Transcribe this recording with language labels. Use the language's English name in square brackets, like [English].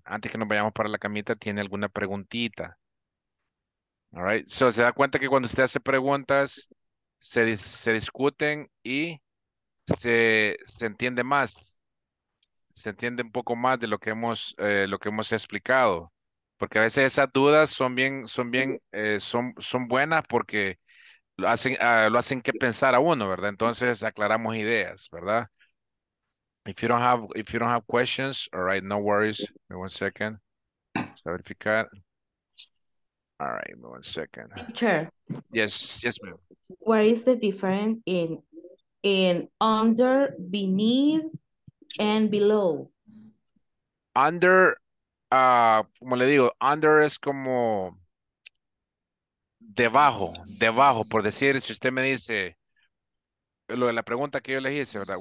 [Spanish] Antes que nos vayamos para la camita, ¿tiene alguna preguntita? [English] All right, [Spanish] so se da cuenta que cuando usted hace preguntas, se discuten y se entiende más, se entiende un poco más de lo que hemos explicado, porque a veces esas dudas son buenas porque lo hacen que pensar a uno, ¿verdad? Entonces aclaramos ideas, ¿verdad? [English] If you don't have questions, all right, no worries. One second. Let's [Spanish] verificar. [English] All right, one second. Teacher. Yes, ma'am. What is the difference in under, beneath, and below? [Spanish] Under, como le digo, under es como debajo, por decir, si usted me dice, lo de la pregunta que yo le hice, ¿verdad?